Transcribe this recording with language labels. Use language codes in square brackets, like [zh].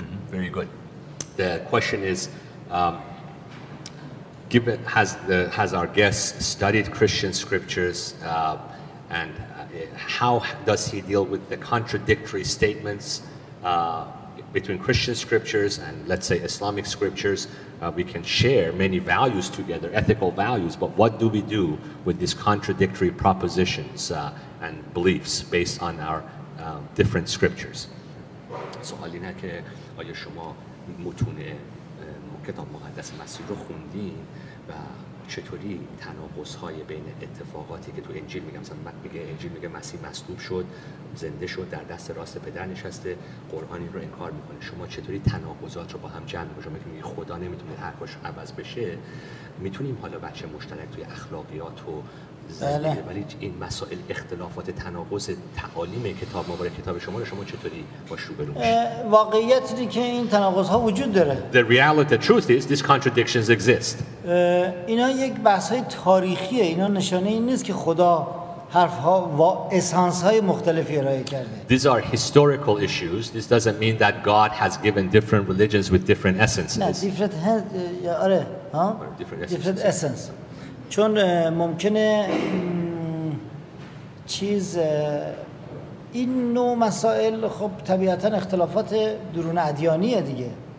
[en] Very good. The question is, given has our guest studied Christian scriptures, and how does he deal with the contradictory statements between Christian scriptures and, let's say, Islamic scriptures? We can share many values together, ethical values, but what do we do with these contradictory propositions and beliefs based on our different scriptures? [fa] سوال اینه که آیا شما متون کتاب مقدس مسیح رو خوندین و چطوری تناقض‌های بین اتفاقاتی که تو انجیل میگم، مثلا میگه انجیل میگه مسیح مصلوب شد، زنده شد، در دست راست پدر نشسته، قرآن این رو انکار میکنه، شما چطوری تناقضات رو با هم جمع میکنید؟ شما میگید خدا نمیتونه حرفش عوض بشه، میتونیم حالا بچه مشترک توی اخلاقیات و زندگی، ولی این مسائل اختلافات تناقض تعالیم کتاب مبارک کتاب شما رو شما چطوری باش روبرو میشید؟ واقعیت اینه که این تناقض ها وجود داره. [en] The reality, the truth is these contradictions exist. [fa] اینا یک بحث های تاریخیه، اینا نشانه این نیست که خدا حرف‌ها و اسانس‌های مختلفی ارائه کرده. [en] These are historical issues. This doesn't mean that God has given different religions with different essences. [fa] نه، [en] different essence. [fa] آره، ها؟ [en] different essence. [fa] چون ممکنه چیز این نوع مسائل خب طبیعتاً اختلافات درون ادیانیه دیگه.